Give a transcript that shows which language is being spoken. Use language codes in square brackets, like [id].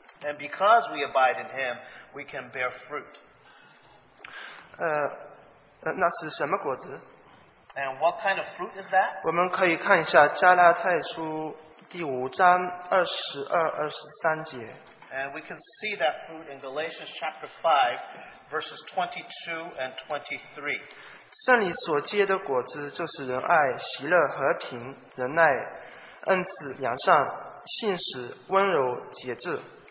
[en] And because we abide in him, we can bear fruit. [zh] 那是什么果子? [en] And what kind of fruit is that? [zh] 我们可以看一下加拉太书第5章22-23节。 [en] And we can see that fruit in Galatians chapter 5, verses 22 and 23. [zh] 圣灵所结的果子就是仁爱、喜乐、和平、仁爱、恩慈、良善、信实、温柔、节制。